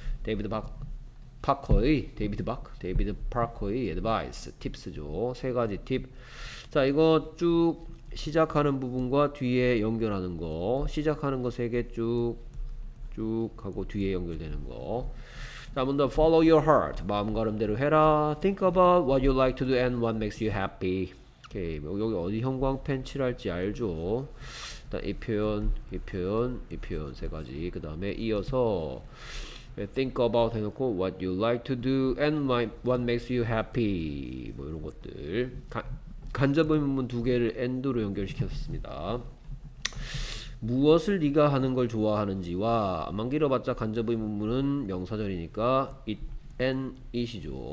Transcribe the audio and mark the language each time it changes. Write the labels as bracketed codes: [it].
[ko] 데이비드 파커의 데이비드 파커의 advice, tips죠. 세 가지 팁. 자, 이거 쭉 시작하는 부분과 뒤에 연결하는 거. 시작하는 거세개 쭉. 쭉 하고 뒤에 연결되는 거. 자, 먼저 [en] follow your heart. [ko] 마음가름대로 해라. [en] Think about what you like to do and what makes you happy. [ko] 오케이. 여기 어디 형광펜칠할지 알죠? 일단 이 표현 세 가지. 그 다음에 이어서 think about 해놓고 [en] what you like to do and what makes you happy. [ko] 뭐 이런 것들. 간접 의문문 두 개를 and로 연결시켰습니다. 무엇을 네가 하는 걸 좋아하는지와 안만 길어봤자 간접 의문문은 명사절이니까 it and it이죠.